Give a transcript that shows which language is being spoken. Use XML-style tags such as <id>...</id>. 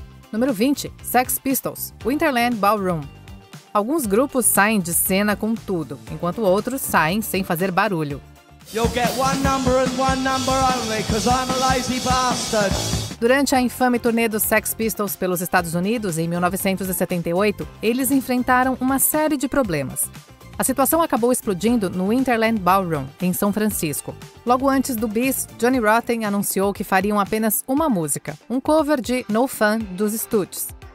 <pt>Número 20. Sex Pistols, Winterland Ballroom. Alguns grupos saem de cena com tudo, enquanto outros saem sem fazer barulho.</pt> <en>You'll get one number and one number only, 'cause I'm a lazy bastard.</en> <pt>Durante a infame turnê dos Sex Pistols pelos Estados Unidos, em 1978, eles enfrentaram uma série de problemas. A situação acabou explodindo no Winterland Ballroom, em São Francisco. Logo antes do bis, Johnny Rotten anunciou que fariam apenas uma música, um cover de No Fun, dos Stooges.</pt>